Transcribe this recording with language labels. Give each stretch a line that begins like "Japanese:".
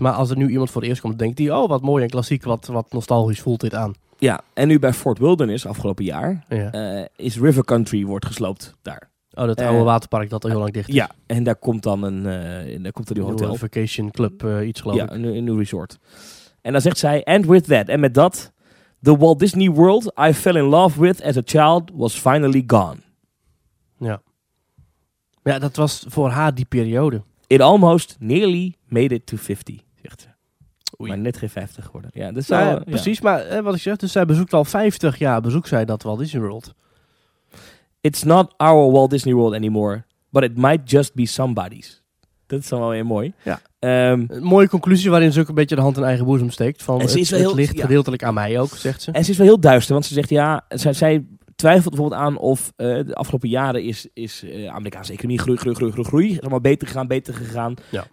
Dutch: Maar als er nu iemand voor het eerst komt, denkt die, oh, wat mooi en klassiek, wat nostalgisch voelt dit aan. Ja, en nu bij Fort Wilderness afgelopen jaar, ja. Is River Country wordt gesloopt daar. Oh, dat oude waterpark dat al heel lang dicht is. Ja, en daar komt dan een hotel. Een Vacation Club, iets geloof ja, ik. Ja, een nieuw resort. En dan zegt zij,
English: and with that,
Dutch: en met dat...
English: The Walt Disney World I fell in love with as a child was finally gone.
Dutch: Ja. Ja, dat was voor haar die periode.
English: It almost nearly made it to 50,
Dutch: zegt ze. Oei. Maar net geen 50 geworden. Ja, dus nou, precies, maar wat ik zeg, dus zij bezoekt al 50 jaar, bezoekt zij dat Walt Disney World.
English: It's not our Walt Disney World anymore, but it might just be somebody's.
Dutch: Dat is dan wel weer mooi. Ja. Een mooie conclusie waarin ze ook een beetje de hand in eigen boezem steekt. Van het ligt gedeeltelijk aan mij ook, zegt ze. En ze is wel heel duister, want ze zegt ja, zij twijfelt bijvoorbeeld aan of de afgelopen jaren is Amerikaanse economie groei. Is allemaal beter gegaan. Ja.